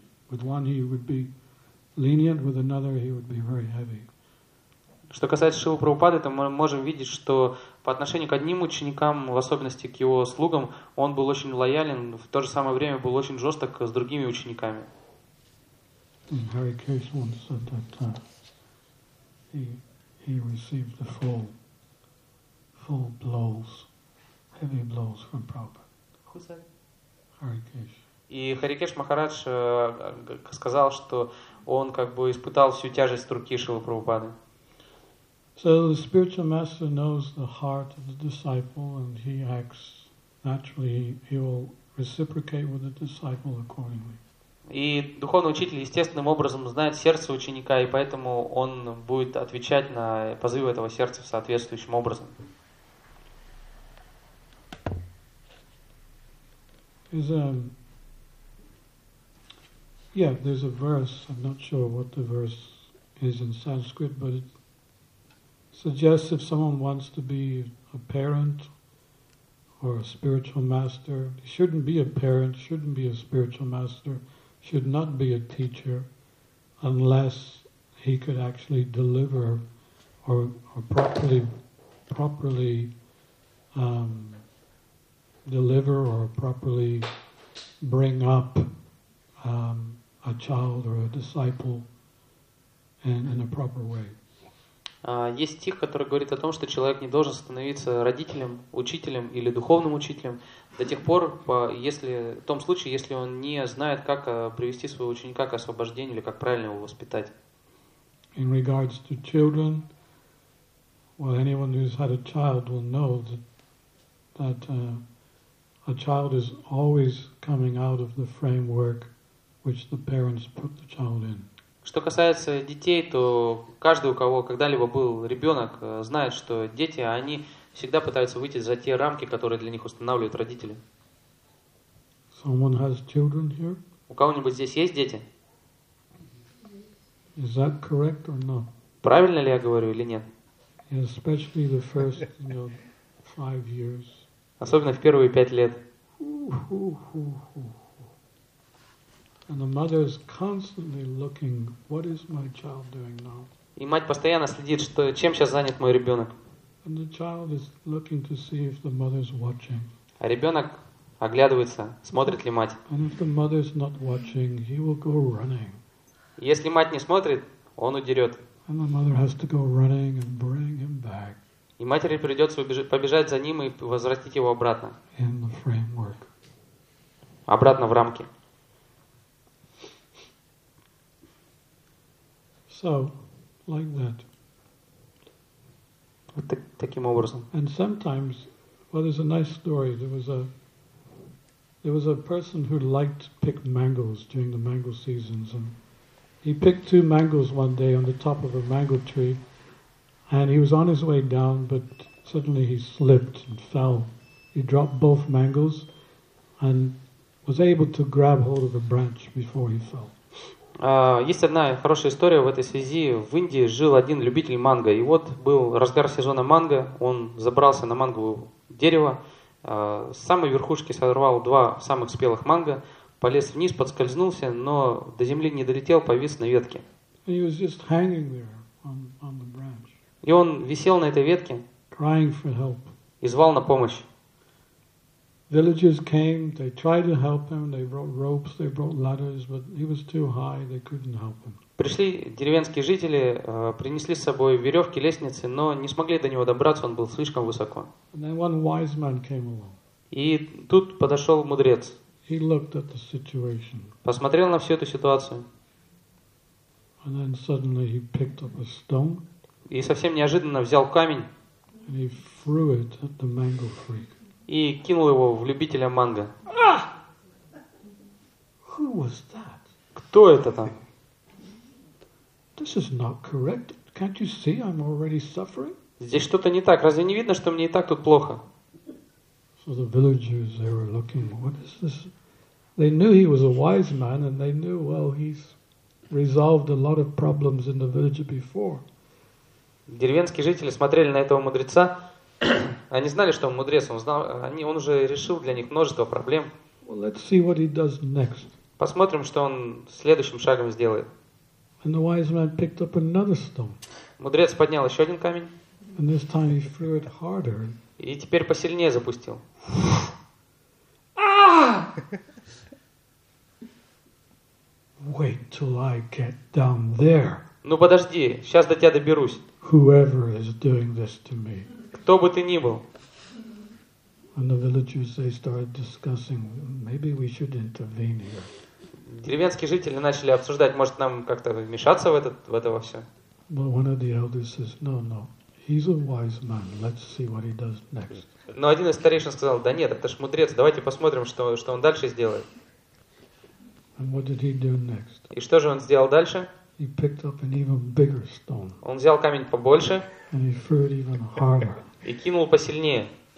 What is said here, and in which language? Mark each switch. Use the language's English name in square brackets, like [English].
[English] With one he would be lenient, with another he would be very heavy. [Russian] Что касается Шрилы Прабхупады, то мы можем видеть, что по отношению к одним ученикам, в особенности к его слугам, он был очень лоялен, в то же самое время был очень жесток с другими учениками. [English] Hare Krishna once said that he received the full blows, heavy blows from Prabhupada. Hare Krishna. [Russian] И Hare Krishna Махарадж сказал, что он как бы испытал всю тяжесть руки Шрилы Прабхупады. [English] So the spiritual master knows the heart of the disciple, and he acts naturally. He will reciprocate with the disciple accordingly. [Russian] И духовный учитель естественным образом знает сердце ученика, и поэтому он будет отвечать на позывы этого сердца соответствующим образом. [English] There's a verse. I'm not sure what the verse is in Sanskrit, but it suggests if someone wants to be a parent or a spiritual master, he shouldn't be a parent, shouldn't be a spiritual master, should not be a teacher, unless he could actually deliver or properly bring up a child or a disciple in a proper way. [Russian] Есть стих, который говорит о том, что человек не должен становиться родителем, учителем или духовным учителем до тех пор, если он не знает, как привести своего ученика к освобождению или как правильно его воспитать. [English] In regards to children, well, anyone who's had a child will know that a child is always coming out of the framework which the parents put the child in. [Russian] Что касается детей, то каждый, у кого когда-либо был ребенок, знает, что дети, они всегда пытаются выйти за те рамки, которые для них устанавливают родители. [English] Someone has children here? [Russian] У кого-нибудь здесь есть дети? [English] Is that correct or not? [Russian] Правильно ли я говорю или нет? [English] Especially the first, you know, 5 years. [Russian] Особенно в первые 5 лет. [English] And the mother is constantly looking, what is my child doing now? [Russian] И мать постоянно следит, что чем сейчас занят мой ребенок. [English] And the child is looking to see if the mother is watching. [Russian] А ребенок оглядывается, смотрит ли мать. [English] And if the mother is not watching, he will go running. [Russian] Если мать не смотрит, он удерет. [English] And the mother has to go running and bring him back. [Russian] И матери придется побежать за ним и возвратить его обратно. [English] In the framework. [Russian] Обратно в рамки. [English] So, like that. [Russian] Вот таким образом. [English] And sometimes, well, there's a nice story. There was a person who liked to pick mangoes during the mango seasons, and he picked 2 mangoes one day on the top of a mango tree, and he was on his way down, but suddenly he slipped and fell. He dropped both mangoes, and was able to grab hold of a branch before he fell. [Russian] Есть одна хорошая история в этой связи. В Индии жил один любитель манго, и вот был разгар сезона манго, он забрался на манговое дерево, с самой верхушки сорвал 2 самых спелых манго, полез вниз, подскользнулся, но до земли не долетел, повис на ветке. [English] He was just hanging there on the branch. [Russian] И он висел на этой ветке, [English] crying for help. [Russian] И звал на помощь. [English] Villagers came, they tried to help him, they brought ropes, they brought ladders, but he was too high, they couldn't help him. [Russian] Пришли деревенские жители, принесли с собой веревки, лестницы, но не смогли до него добраться, он был слишком высоко. [English] And then one wise man came along. [Russian] И тут подошел мудрец. [English] He looked at the situation. [Russian] Посмотрел на всю эту ситуацию. [English] And then suddenly he picked up a stone. [Russian] И совсем неожиданно взял камень. [English] And he threw it at the mango freak. [Russian] И кинул его в любителя манго. [English] Who was that? [Russian] Кто это там? [English] This is not correct. Can't you see I'm already suffering? [Russian] Здесь что-то не так. Разве не видно, что мне и так тут плохо? [English] So the villagers, they were looking, what is this? They knew he was a wise man, and they knew, well, he's resolved a lot of problems in the village before. [Russian] Деревенские жители смотрели на этого мудреца. Они знали, что он мудрец. Он знал, он уже решил для них множество проблем. [English] Well, let's see what he does next. [Russian] Посмотрим, что он следующим шагом сделает. [English] And the wise man picked up another stone. [Russian] Мудрец поднял еще один камень. [English] And this time he threw it harder. [Russian] И теперь посильнее запустил. [English] Wait till I get down there. [Russian] Ну подожди, сейчас до тебя доберусь. [English] Whoever is doing this to me. [Russian] Кто бы ты ни был. [English] And the villagers, they started discussing, maybe we should intervene here. [Russian] Деревенские жители начали обсуждать, может, нам как-то вмешаться в это во все. [English] But one of the elders says, no, no, he's a wise man, let's see what he does next. [Russian] Но один из старейшин сказал, да нет, это ж мудрец, давайте посмотрим, что, что он дальше сделает. [English] And what did he do next? [Russian] И что же он сделал дальше? [English] He picked up an even bigger stone. [Russian] Он взял камень побольше. [English] And he threw it even harder. [Russian] И кинул посильнее.